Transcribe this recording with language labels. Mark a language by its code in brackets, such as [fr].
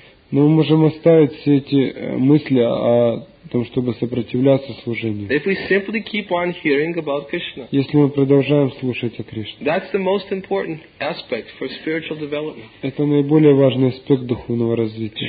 [ru] Но мы можем оставить все эти мысли о том, чтобы сопротивляться служению. [en] If we simply keep on hearing about Krishna. [ru] Если мы продолжаем слушать о Кришне. [en] That's the most important aspect for spiritual development. [ru] Это наиболее важный аспект духовного развития.